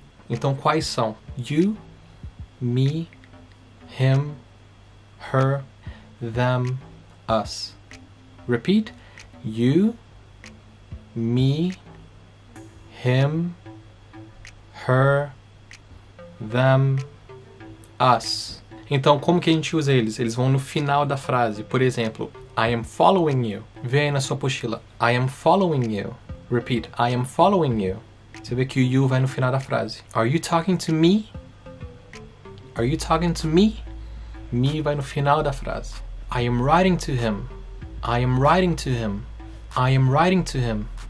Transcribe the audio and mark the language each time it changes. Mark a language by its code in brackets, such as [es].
[pt] Então quais são? [en] You, me, him, her, them, us. Repeat. You. Me, him, her, them, us. [pt] Então, como que a gente usa eles? Eles vão no final da frase. Por exemplo, [en] I am following you. [pt] Vê aí na sua apostila. [en] I am following you. [pt] Repeat. [en] I am following you. [pt] Você vê que o you vai no final da frase. [en] Are you talking to me? Are you talking to me? [pt] Me vai no final da frase. [en] I am writing to him. I am writing to him. I am writing to him.